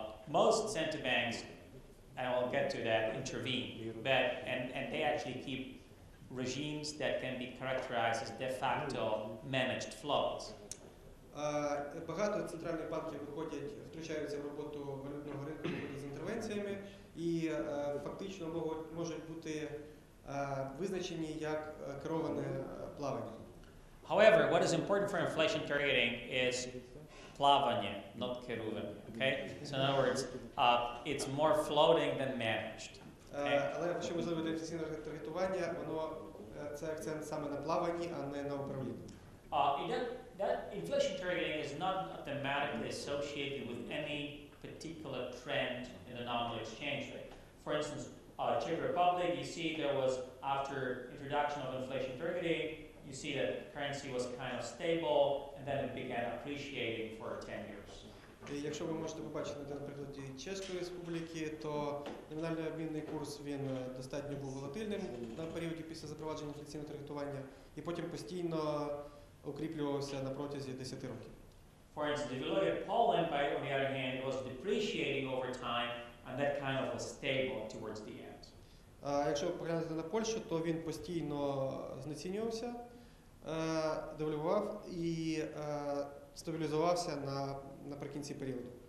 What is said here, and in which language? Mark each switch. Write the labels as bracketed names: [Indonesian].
[English] Most central banks, and we'll get to that, intervene. But, and they actually keep regimes that can be characterized as de facto managed flows. [Ukrainian] Багато центральних банків виходять, втручаються в роботу валютного ринку з інтервенціями і фактично можуть бути визначені як керовані плавання. [English] However, what is important for inflation targeting is [Ukrainian] плавання, [English] not [Ukrainian] керування, [English] okay? So in other words, it's more floating than managed. [Ukrainian] Але що можливо для інфляційного таргетування, воно це акцент саме на плаванні, а не на управлінні. [English] That inflation targeting is not automatically associated with any particular trend in the nominal exchange rate. For instance, Czech Republic, you see there was, after introduction of inflation targeting, you see that currency was kind of stable, and then it began appreciating for 10 years. [Ukrainian] Якщо ви можете побачити на прикладі Чеської Республіки, то номінальний обмінний курс він достатньо був волатильним на періоді після запровадження інфляційного таргетування, і потім постійно укріплювався на протязі 10 років. [English] For instance, if you look at Poland, by, on the other hand, it was depreciating over time, and that kind of was stable towards the end. [Ukrainian] Якщо поглянути на Польщу, то він постійно знецінювався, девальвував і стабілізувався наприкінці періоду.